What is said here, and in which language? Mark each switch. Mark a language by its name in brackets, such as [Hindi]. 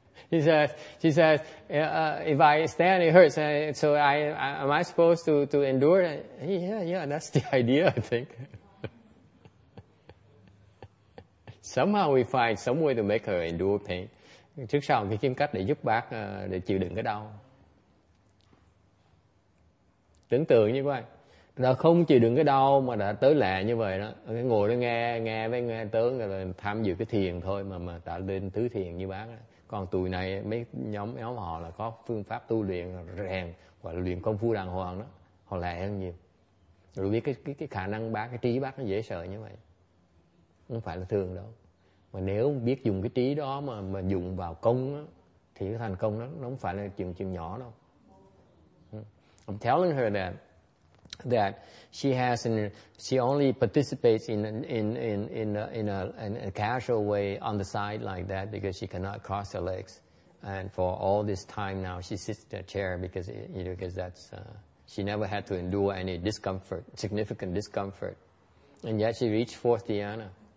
[English] She says, if I stand, it hurts. So am I supposed to endure? Yeah, that's the idea, I think. Somehow we find some way to make her endure pain. [Vietnamese] Trước sau cái kiếm cách để giúp bác để chịu đựng cái đau. Tưởng tượng như vậy. Là không chịu đựng cái đau mà đã tới lẹ như vậy đó. Ngồi đó nghe với nghe tướng rồi tham dự cái thiền thôi mà đã lên tứ thiền như bác. Còn tụi này mấy nhóm họ là có phương pháp tu luyện rèn hoặc là luyện công phu đàng hoàng đó. Họ lẹ hơn nhiều. Rồi biết cái khả năng bác, cái trí bác nó dễ sợ như vậy. Không phải là thường đâu. Mà nếu biết dùng cái trí đó mà dùng vào công đó, thì cái thành công nó không phải là chuyện nhỏ đâu. [English] I'm telling her that she has and she only participates in a casual way on the side like that because she cannot cross her legs, and for all this time now she sits in a chair because that's she never had to endure any discomfort, significant discomfort, and yet she reached fourth dhyana.